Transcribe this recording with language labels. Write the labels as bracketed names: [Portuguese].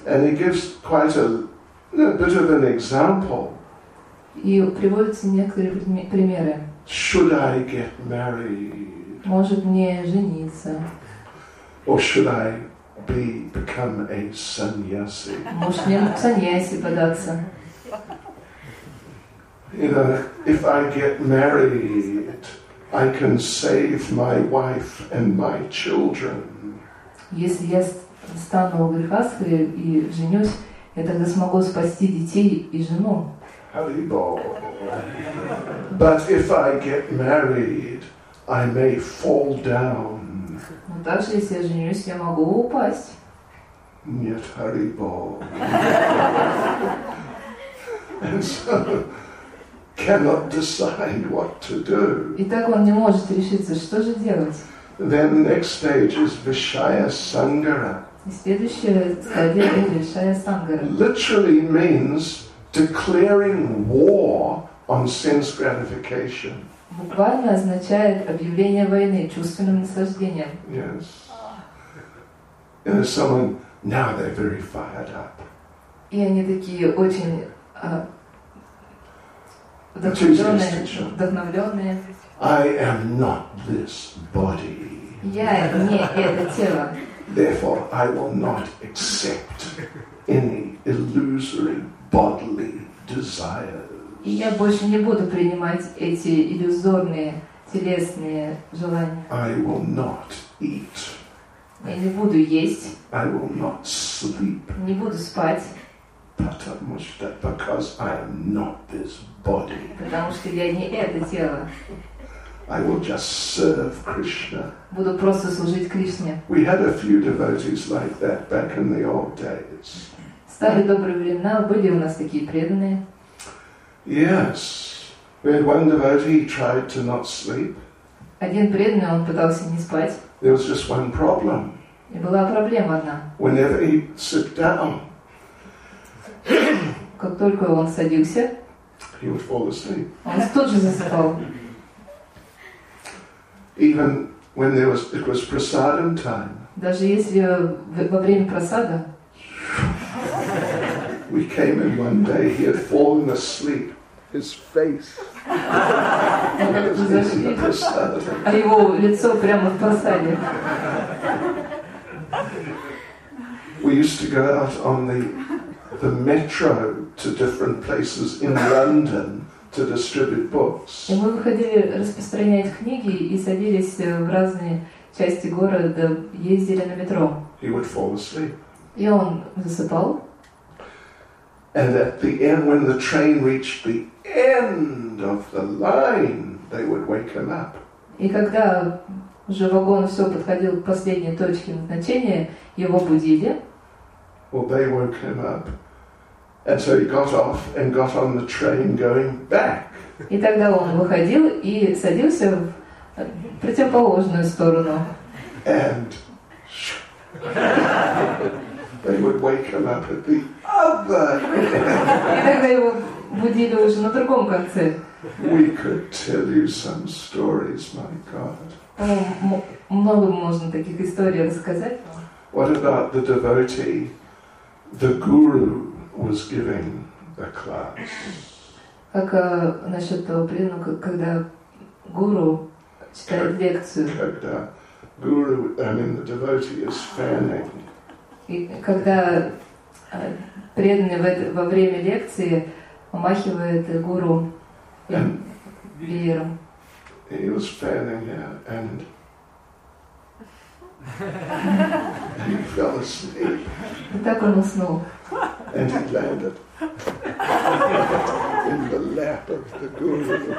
[English] And he gives quite a bit of an example. [Russian] И приводятся некоторые примеры. [English] Should I get married? [Russian] Может мне жениться? [English] Or should I become a sannyasi? [Russian] Может мне к саньяси податься? [English] You know, if I get married, I can save my wife and my children. [Russian] Если я стану грихастхой и женюсь, я тогда смогу спасти детей и жену. [English] Haribol. But if I get married, I may fall down. [Russian] Но даже если я женюсь, я могу упасть. Нет, Haribol. [English] And so, cannot decide what to do. [Russian] И так он не может решиться, что же делать. [English] Then the next stage is Vishaya Sangara. [Russian] И следующая стадия – Vishaya Sangara. [English] Literally means declaring war on sense gratification. [Russian] Буквально означает объявление войны чувственным наслаждением. [English] Yes. You know, someone, now they're very fired up. [Russian] И они такие очень вдохновленные. [English] I am not this body. [Russian] Я не это тело. [English] Therefore, I will not accept any illusory bodily desires. [Russian] И я больше не буду принимать эти иллюзорные телесные желания. [English] I will not eat. [Russian] Я не буду есть. [English] I will not sleep. [Russian] Не буду спать. Потому что, [English] because I am not this body. [Russian] Потому что я не это тело. [English] I will just serve Krishna. [Russian] Буду просто служить Кришне. [English] We had a few devotees like that back in the old days. [Russian] В старые добрые времена были у нас такие преданные. [English] Yes. We had one devotee, he tried to not sleep. [Russian] Один преданный, он пытался не спать. [English] There was just one problem. [Russian] И была проблема одна. [English] Whenever he sat down, [Russian] как только он садился, [English] he would fall asleep. [Russian] Он тут же засыпал. [English] Even when there was, it was prasadam time. [Russian] Даже если во время прасада. [English] We came in one day. He had fallen asleep. His face. [Russian] А его лицо прямо в прасаде. [English] We used to go out on the metro to different places in London to distribute books. [Russian] И мы выходили распространять книги и садились в разные части города, ездили на метро. [English] He would fall asleep. [Russian] И он засыпал. [English] And at the end, when the train reached the end of the line, they would wake him up. [Russian] И когда уже вагон все подходил к последней точке назначения, его будили. [English] Well, they woke him up. And so he got off and got on the train going back. [Russian] И тогда он выходил и садился в противоположную сторону. [English] And they would wake him up at the other end. [Russian] И тогда его будили уже на другом конце. [English] We could tell you some stories, my God. [Russian] Много можно таких историй рассказать. [English] What about the devotee, the guru, was giving a class. [Russian] Как насчет того преданного, когда гуру читает лекцию? Когда гуру, [English] I mean the devotee is fanning. [Russian] И когда преданный во время лекции помахивает гуру веером. [English] He was fanning, yeah, and he fell asleep. [Russian] И так он уснул. [English] And he landed in the lap of the guru.